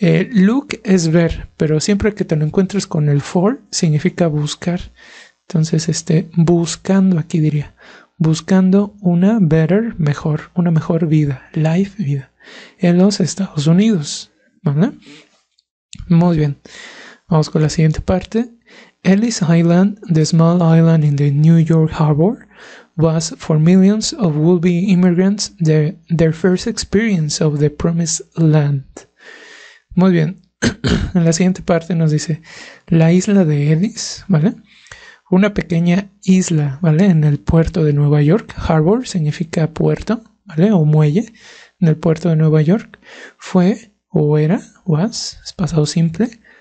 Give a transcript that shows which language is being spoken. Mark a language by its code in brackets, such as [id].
[es] Look es ver, pero siempre que te lo encuentres con el for, significa buscar. Entonces, buscando, aquí diría, buscando una better, mejor, una mejor vida, life, vida, en los Estados Unidos. ¿Vale? Muy bien. Vamos con la siguiente parte. [en] Ellis Island, the small island in the New York Harbor, was for millions of would-be immigrants their first experience of the promised land. [es] Muy bien. En la siguiente parte nos dice la isla de Ellis, ¿vale? Una pequeña isla, ¿vale? En el puerto de Nueva York. Harbor significa puerto, ¿vale? O muelle. En el puerto de Nueva York fue o era, [en] was, [es] es pasado simple.